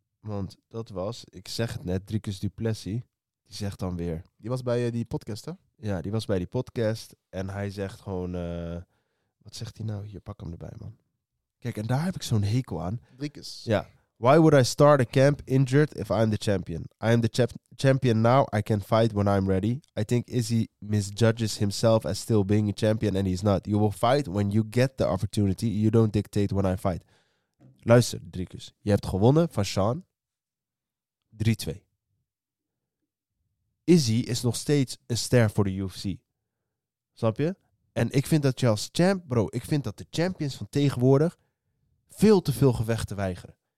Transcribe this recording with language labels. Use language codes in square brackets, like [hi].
[nl] Want dat was, ik zeg het net, Dricus du Plessis. Die zegt dan weer... Die was bij die podcast, hè? Ja, die was bij die podcast en hij zegt gewoon... Wat zegt hij nou? Hier, pak hem erbij, man. Kijk, en daar heb ik zo'n hekel aan. Dricus. Ja, [en] Why would I start a camp injured if I'm the champion? I am the champion now. I can fight when I'm ready. I think Izzy misjudges himself as still being a champion and he's not. You will fight when you get the opportunity. You don't dictate when I fight. [nl] Luister, Dricus. Je hebt gewonnen van Sean. 3-2. Izzy is nog steeds een ster voor de UFC. Snap je? En ik vind dat je als champ, bro, ik vind dat de champions van tegenwoordig veel te veel gevechten weigeren.